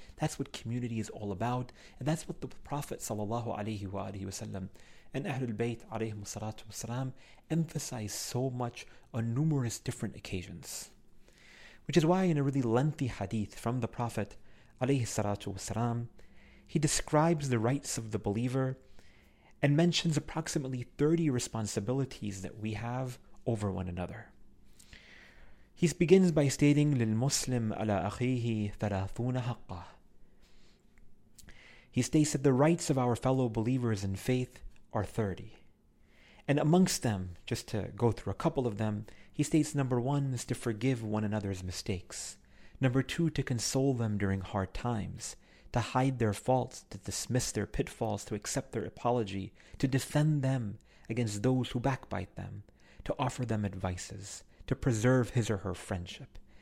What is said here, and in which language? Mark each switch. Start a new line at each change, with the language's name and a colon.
English: That's what community is all about, and that's what the Prophet sallallahu alaihi wa alihi wasallam and Ahlul Bayt alayhim salatu wasalam emphasize so much on numerous different occasions. Which is why in a really lengthy hadith from the Prophet alayhi salatu wasalam, he describes the rights of the believer and mentions approximately 30 responsibilities that we have over one another. He begins by stating,
Arabic: لِلْمُسْلِمْ عَلَىٰ أَخِيهِ ثَلَاثُونَ حَقَّهِ.
English: He states that the rights of our fellow believers in faith are 30. And amongst them, just to go through a couple of them, he states number one is to forgive one another's mistakes. Number two, to console them during hard times, to hide their faults, to dismiss their pitfalls, to accept their apology, to defend them against those who backbite them, to offer them advices, to preserve his or her friendship,